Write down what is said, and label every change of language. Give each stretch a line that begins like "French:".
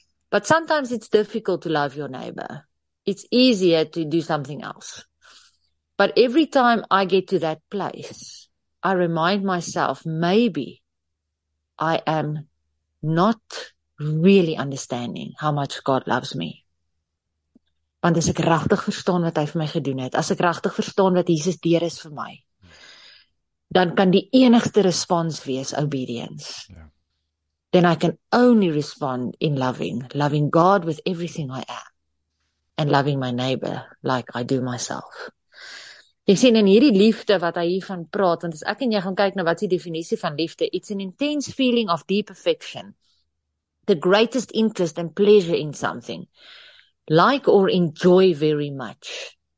English: But sometimes it's difficult to love your neighbor. It's easier to do something else. But every time I get to that place, I remind myself, maybe I am not really understanding how much God loves me.
Afrikaans: Want as ek regtig verstaan wat hy vir my gedoen het, as ek regtig verstaan wat Jesus deur is vir my, dan kan die enigste respons wees obedience.
English: Yeah. Then I can only respond in loving God with everything I am and loving my neighbor like I do myself.
Afrikaans: Jy sien, in hierdie liefde wat hy hiervan praat, want as ek en jy gaan kyk na wat is die definisie van liefde,
English: it's an intense feeling of deep affection, the greatest interest and pleasure in something, like or enjoy very much.